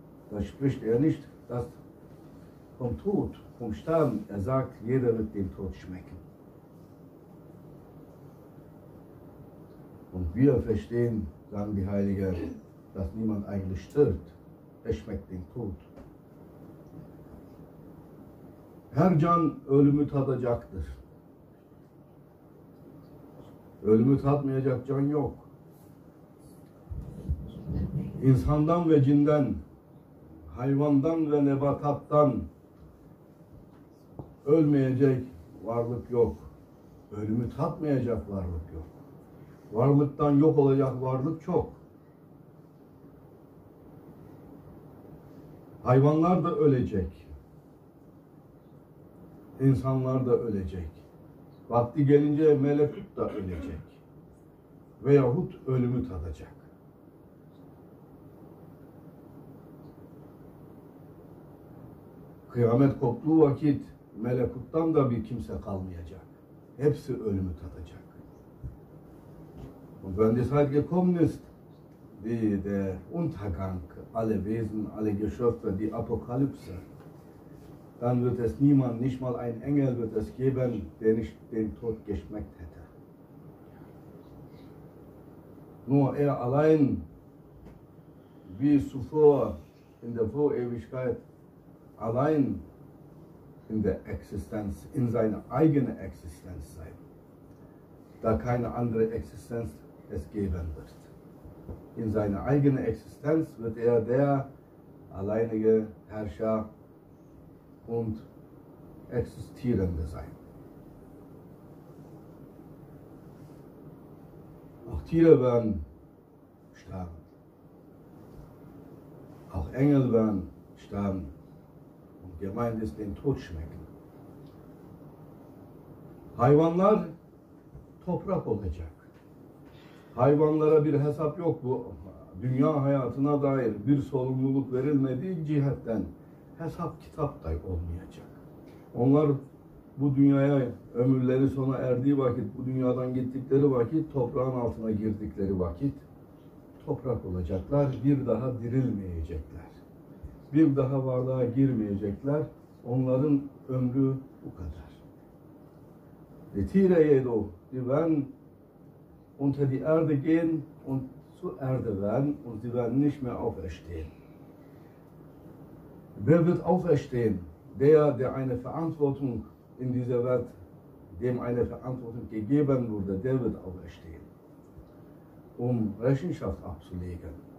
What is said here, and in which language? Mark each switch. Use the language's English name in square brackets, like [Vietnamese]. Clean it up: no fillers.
[German] Da spricht er nicht das vom Tod, vom Sterben. Er sagt, jeder wird den Tod schmecken. Und wir verstehen, sagen die Heiligen, dass niemand eigentlich stirbt. Er schmeckt den Tod. [Turkish] Her can ölümü tadacaktır. Ölümü tatmayacak can yok. İnsandan ve cinden, hayvandan ve nebatattan ölmeyecek varlık yok. Ölümü tatmayacak varlık yok. Varlıktan yok olacak varlık çok. Hayvanlar da ölecek. İnsanlar da ölecek. Vakti gelince melekut da ölecek. Veyahut ölümü tadacak. Kıyamet koptuğu vakit melekuttan da bir kimse kalmayacak. Hepsi ölümü tadacak. [German] Und wenn die Zeit gekommen ist, wie der Untergang, alle Wesen, alle Geschöpfe, die Apokalypse, dann wird es niemand, nicht mal ein Engel wird es geben, der nicht den Tod geschmeckt hätte. Nur er allein, wie zuvor in der Vorewigkeit, allein in der Existenz, in seiner eigenen Existenz sein, da keine andere Existenz es geben wird. In seiner eigenen Existenz wird er der alleinige Herrscher und Existierende sein. Auch Tiere werden sterben. Auch Engel werden sterben. Und gemeint ist den Tod schmecken. [Turkish] Hayvanlar toprak olacak. Hayvanlara bir hesap yok bu. Dünya hayatına dair bir sorumluluk verilmediği cihetten hesap kitap da olmayacak. Onlar bu dünyaya ömürleri sona erdiği vakit, bu dünyadan gittikleri vakit, toprağın altına girdikleri vakit toprak olacaklar. Bir daha dirilmeyecekler. Bir daha varlığa girmeyecekler. Onların ömrü bu kadar. [German] Tire yedo, diven unter die Erde gehen und zur Erde werden und sie werden nicht mehr auferstehen. Wer wird auferstehen? Der eine Verantwortung in dieser Welt, dem eine Verantwortung gegeben wurde, der wird auferstehen, um Rechenschaft abzulegen.